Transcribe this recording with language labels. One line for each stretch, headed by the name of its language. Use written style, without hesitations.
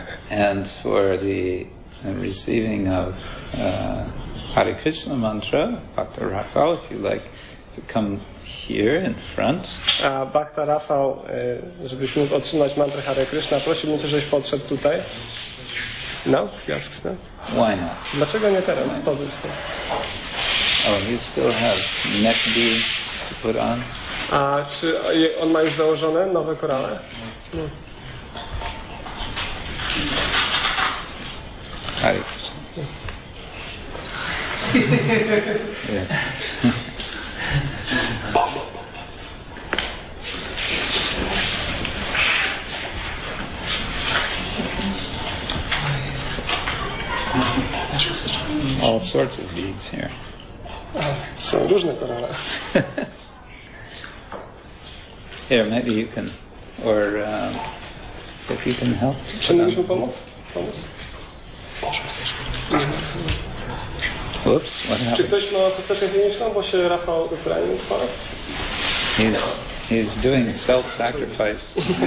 English: And for the receiving of Hare Krishna mantra, Bhakta Rafał, if you like to come here in front.
Polish: Bhakta Rafał, żebyś mógł otrzymać mantrę Hare Krishna, prosiłbym cię, żebyś podszedł tutaj. No, jasne. No?
English: Why not?
Polish: Dlaczego nie teraz? Podróż tu.
English: Oh, you still have neck beads to put on?
Polish: A czy on ma już założone nowe korale? No. Hare Krishna.
English: All sorts of beads here.
Polish: Są różne korale.
English: Here, maybe you can, or if you can help.
Polish: Czy mógłbyś pomóc?
English: Oops, what happened?
Polish: Czy ktoś ma chusteczkę chemiczną, bo się Rafał zranił w palec?
English: He's He's doing self-sacrifice.